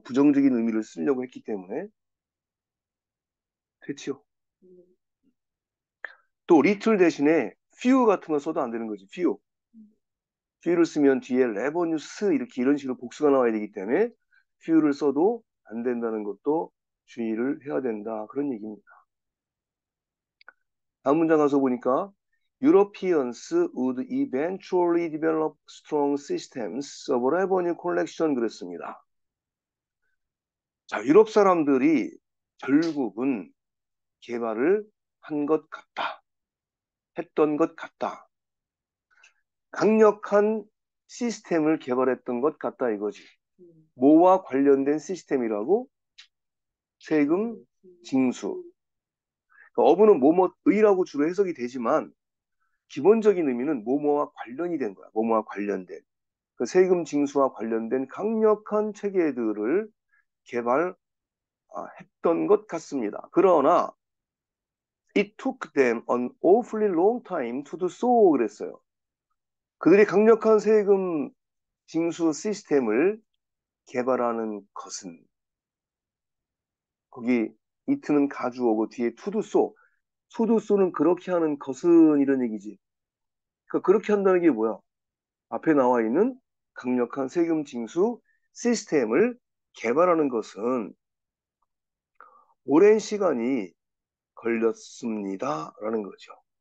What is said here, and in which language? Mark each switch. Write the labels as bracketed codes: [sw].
[ko] 부정적인 의미를 쓰려고 했기 때문에. 됐죠? 또 little 대신에 few 같은 거 써도 안 되는 거지, few. few를 쓰면 뒤에 revenues 이렇게 이런 식으로 복수가 나와야 되기 때문에 few를 써도 안 된다는 것도 주의를 해야 된다. 그런 얘기입니다. 다음 문장 가서 보니까 [en] Europeans would eventually develop strong systems of revenue collection [ko] 그랬습니다. 자, 유럽 사람들이 결국은 개발을 한것 같다. 했던 것 같다. 강력한 시스템을 개발했던 것 같다, 이거지. 뭐와 관련된 시스템이라고? 세금, 징수. 어부는 뭐뭐, 의라고 주로 해석이 되지만, 기본적인 의미는 뭐뭐와 관련이 된 거야. 뭐뭐와 관련된. 그 세금 징수와 관련된 강력한 체계들을 개발했던 것 같습니다. 그러나, [en] It took them an awfully long time to do so [ko] 그랬어요. 그들이 강력한 세금 징수 시스템을 개발하는 것은 거기 it는 가주어고 뒤에 [en] to do so [ko] 는 그렇게 하는 것은 이런 얘기지. 그러니까 그렇게 한다는 게 뭐야? 앞에 나와 있는 강력한 세금 징수 시스템을 개발하는 것은 오랜 시간이 걸렸습니다. 라는 거죠.